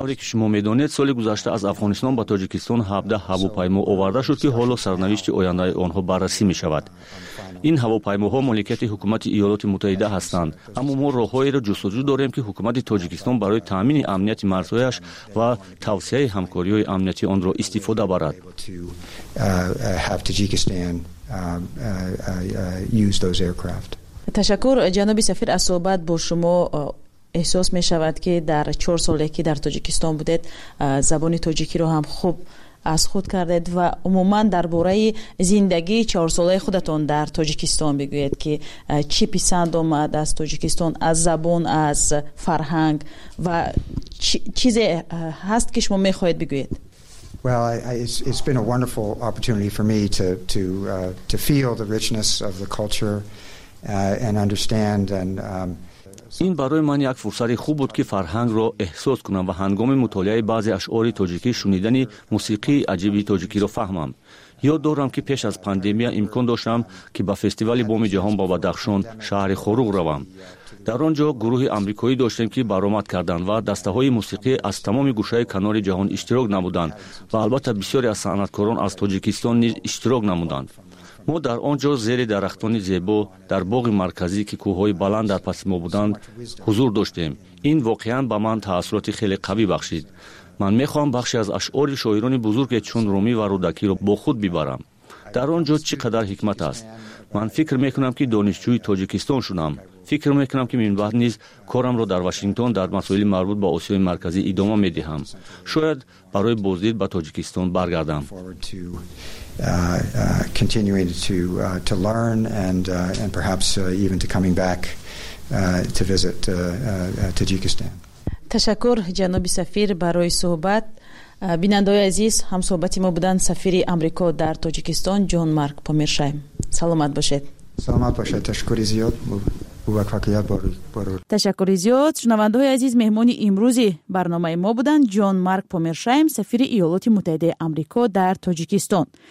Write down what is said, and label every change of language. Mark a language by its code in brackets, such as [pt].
[fa] طوری که شما میدونید سال گذشته از افغانستان به تاجیکستان 17 هواپیما آورده شد که حالا سرنوشت آینده آنها بررسی می شود. این هواپیماها مالکیت حکومت ایالات متحده هستند، اما ما راههایی را جستجو داریم که حکومت تاجیکستان برای تامین امنیت مرزهایش و توسعه همکاری های امنیتی آن را استفاده برد. تشکر جناب سفیر. از صحبت با شما احساس می شود که در 4 ساله که در تاجیکستان بودید زبان تاجیکی را هم خوب از خود کردید و عموماً درباره زندگی 4 ساله خودتون در تاجیکستان بگویید که چی پسند آمد از تاجیکستان، از زبان، از فرهنگ و چیزی هست که شما میخواهید بگویید. [en] Well, it's been a wonderful opportunity for me to feel the richness of the culture and understand and [fa] این برای من یک فرصت خوب بود که فرهنگ را احساس کنم و هنگام مطالعه بعضی اشعار تاجیکی شنیدن موسیقی عجیبی تاجیکی را فهمم. یاد دارم که پیش از پاندمی امکان داشتم که به فستیوال بوم جهان با بدخشان شهر خروغ روم. در آنجا گروه آمریکایی داشتیم که برآمد کردند و دسته های موسیقی از تمام گوشه کنار جهان اشتراک نمودند و البته بسیاری از صنعتکاران از تاجیکستان نیز اشتراک نمودند. ما در آنجا زیر درختان زیبا در باغ مرکزی که کوههای بلند در پس ما بودند حضور داشتیم. این واقعا به من تأثیرات خیلی قوی بخشید. من میخواهم بخشی از اشعار شاعران بزرگ چون رومی و رودکی را با خود ببرم. در آنجا چی قدر حکمت است. من فکر میکنم که دانشجوی تاجیکستان شدم. فکر میکنم که من بعد نیز کارم را در واشنگتن در مسائل مربوط به آسیای مرکزی ادامه میدهم. شاید برای بازدید به تاجیکستان برگردم. [en] continuing to learn and perhaps even to coming back to visit Tajikistan. [fa] تشکر جناب سفیر برای صحبت. بیننده عزیز، هم صحبتی ما بودن سفیر آمریکا در تاجیکستان جان مارک پومیرشایم. سلامت باشید. سلامت باشید. تشکر زیاد. تشکر زیاد. شنونده های عزیز، مهمان امروزی برنامه ما بودن جان مارک پومیرشایم، سفیر ایالات متحده آمریکا در تاجیکستان.